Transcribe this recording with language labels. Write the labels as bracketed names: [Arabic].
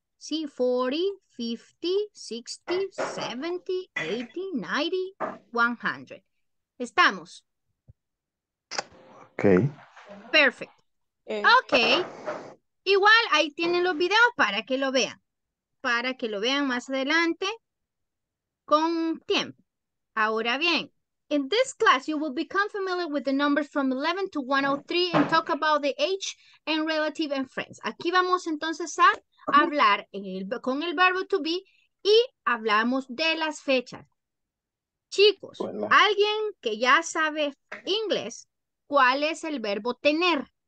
[Spanish] Sí, 40, 50, 60, 70, 80, 90, 100. Estamos. Ok. [English] Perfect. Ok. [Spanish] Igual ahí tienen los videos para que lo vean. Para que lo vean más adelante con tiempo. Ahora bien, [English] in this class you will become familiar with the numbers from 11 to 103 and talk about the age and relative and friends. [Spanish] Aquí vamos entonces a hablar con el verbo to be y hablamos de las fechas. Chicos, bueno, alguien que ya sabe inglés, ¿cuál es el verbo tener?